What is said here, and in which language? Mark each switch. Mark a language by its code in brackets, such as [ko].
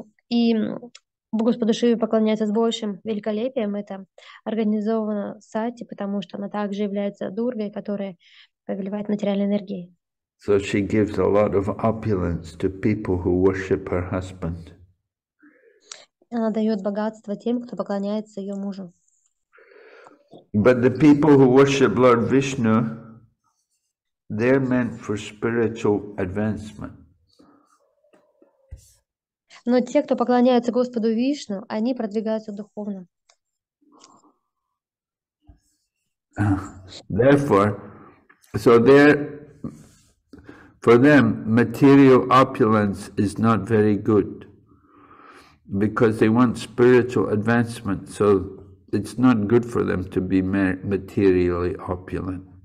[ru] И Господу Шиве поклоняется с большим великолепием. Это организовано Сати, потому что она также является Дургой, которая повелевает материальной энергией. [en] So she gives a lot of opulence to people who worship her husband. [ru] Она дает богатство тем, кто поклоняется ее мужу. [en] But the people who worship Lord Vishnu, they're meant for spiritual advancement. [ru] Но те, кто поклоняется Господу Вишну, они продвигаются духовно. [en] Therefore, so they're for them, material opulence is not very good, because they want spiritual advancement, so it's not good for them to be materially opulent.